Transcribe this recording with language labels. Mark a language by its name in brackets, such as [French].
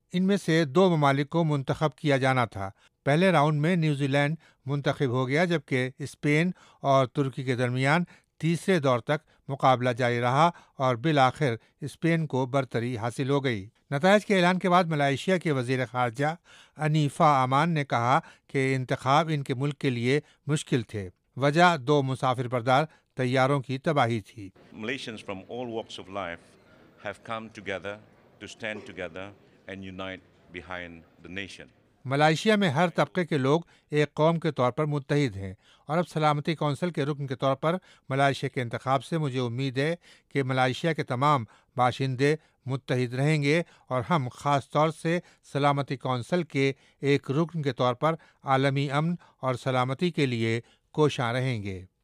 [Urdu] ان میں سے 2 ممالک کو منتخب کیا جانا تھا. پہلے راؤنڈ میں نیوزی لینڈ منتخب ہو گیا جبکہ اسپین اور ترکی کے درمیان تیسرے دور تک مقابلہ جاری رہا اور بالآخر اسپین کو برتری حاصل ہو گئی. نتائج کے اعلان کے بعد ملائیشیا کے وزیر خارجہ انیفا امان نے کہا کہ انتخاب ان کے ملک کے لیے مشکل تھے. وجہ 2 مسافر بردار طیاروں کی تباہی تھی. [English] Malaysians from all walks of life have come together to stand together and unite behind the nation. [Urdu] Malaysia میں ہر طبقے کے لوگ ایک قوم کے طور پر متحد ہیں, اور اب سلامتی کونسل کے رکن کے طور پر ملائیشیا کے انتخاب سے مجھے امید ہے کہ ملائیشیا کے تمام باشندے متحد رہیں گے, اور ہم خاص طور سے سلامتی کونسل کے ایک رکن کے طور پر عالمی امن اور سلامتی کے لیے کوشاں رہیں گے.